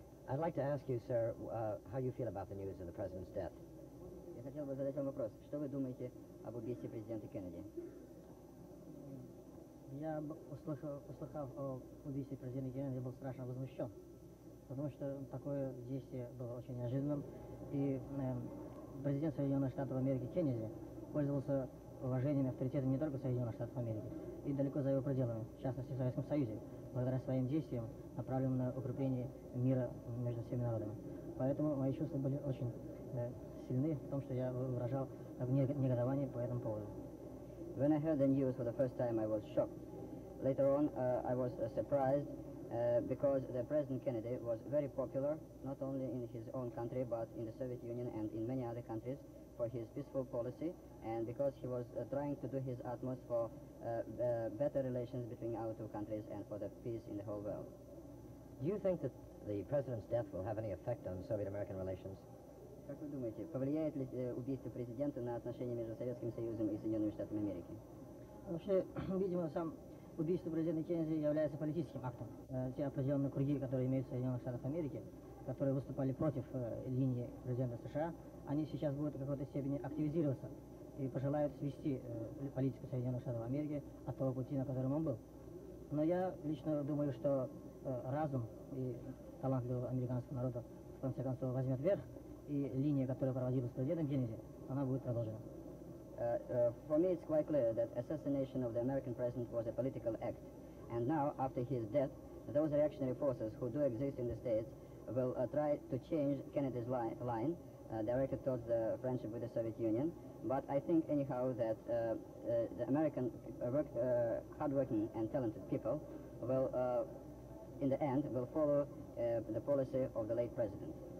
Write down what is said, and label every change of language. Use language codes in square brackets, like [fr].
[en] I'd like to ask you, sir, how you feel about the news of the president's death. [ru] Я хотел бы задать вам вопрос. Что вы думаете об убийстве президента Кеннеди? Я услыхав о убийстве президента Кеннеди, я был страшно возмущен, потому что такое действие было очень неожиданным, и президент Соединенных Штатов Америки Кеннеди пользовался уважением и авторитетом не только Соединенных Штатов Америки, и далеко за его пределами, в частности в Советском Союзе, благодаря своим действиям, направленным на укрепление мира между всеми народами. Поэтому мои чувства были очень сильны в том, что я выражал негодование по этому поводу. [en] When I heard the news for the first time, I was shocked. Later on, I was surprised because the President Kennedy was very popular, not only in his own country, but in the Soviet Union and in many other countries, for his peaceful policy, and because he was trying to do his utmost for better relations between our two countries and for the peace in the whole world. Do you think that the president's death will have any effect on Soviet-American relations? [ru] Как вы думаете, повлияет ли убийство президента на отношения между Советским Союзом и Соединенными Штатами Америки? Вообще, видимо, сам убийство президента Кеннеди является политическим актом. Те определенные круги, которые имеют в Соединенных Штатах Америки, которые выступали против линии президента США, они сейчас будут в какой-то степени активизироваться и пожелают свести политику Соединенных Штатов Америки от того пути, на котором он был. Но я лично думаю, что разум и талант для американского народа в конце концов возьмет верх, и линия, которая проводилась президентом Кеннеди, она будет продолжена. [en] For me it's quite clear that assassination of the American president was a political act. And now, after his death, those reactionary forces who do exist in the States will try to change Kennedy's line directed towards the friendship with the Soviet Union. But I think anyhow that the American hard-working and talented people will, in the end, will follow the policy of the late president.